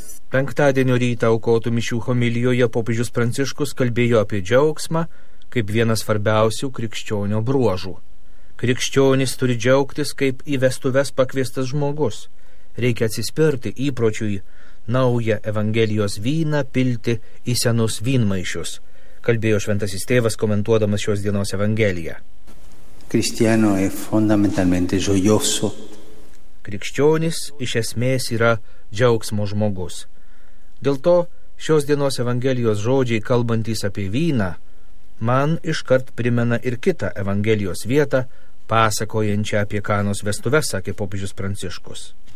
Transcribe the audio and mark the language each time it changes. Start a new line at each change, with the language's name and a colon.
Lithuanian: Penktadienio rytą aukotų mišių homilijoje popiežius Pranciškus kalbėjo apie džiaugsmą kaip vienas svarbiausių krikščionio bruožų. Krikščionis turi džiaugtis kaip į vestuves pakviestas žmogus. Reikia atsispirti įpročiui naują evangelijos vyną pilti į senus vynmaišius, kalbėjo šventasis tėvas komentuodamas šios dienos evangeliją.
Italian: Cristiano è fondamentalmente gioioso.
Lithuanian: Krikščionis iš esmės yra džiaugsmo žmogus. Dėl to šios dienos evangelijos žodžiai, kalbantys apie vyną, man iškart primena ir kitą evangelijos vietą, pasakojančią apie Kanos vestuves, sakė popiežius Pranciškus.